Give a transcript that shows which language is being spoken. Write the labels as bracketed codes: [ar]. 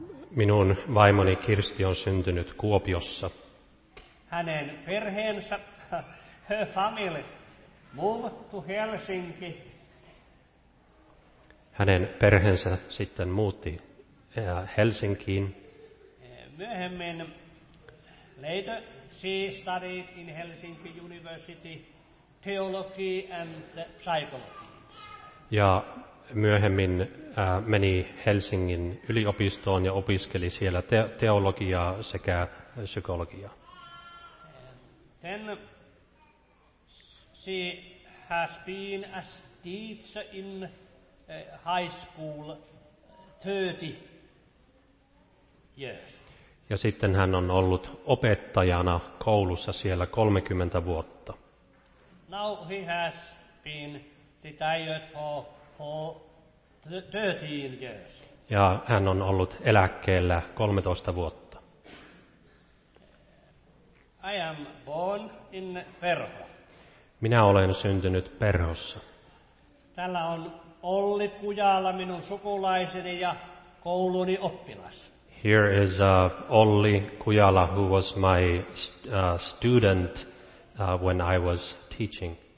[fi] Minun vaimoni Kirsti on syntynyt Kuopiossa. Hänen perheensä, [en] her family, moved to Helsinki. [fi] Hänen perheensä sitten muutti Helsinkiin. [en] Myöhemmin, later, she studied in Helsinki University theology and psychology. [fi] Ja myöhemmin meni Helsingin yliopistoon ja opiskeli siellä teologiaa sekä psykologiaa. [en] Then she has been a teacher in high school 30 years. [fi] Ja sitten hän on ollut opettajana koulussa siellä 30 vuotta. [en] Now he has been retired for 13 years. [fi] Ja hän on ollut eläkkeellä 13 vuotta. [en] I am born in Perho. [fi] Minä olen syntynyt Perhossa. Täällä on Olli Pujala, minun sukulaiseni ja kouluni oppilas. [en] Here is Olli Pujala, who was my student when I was teaching.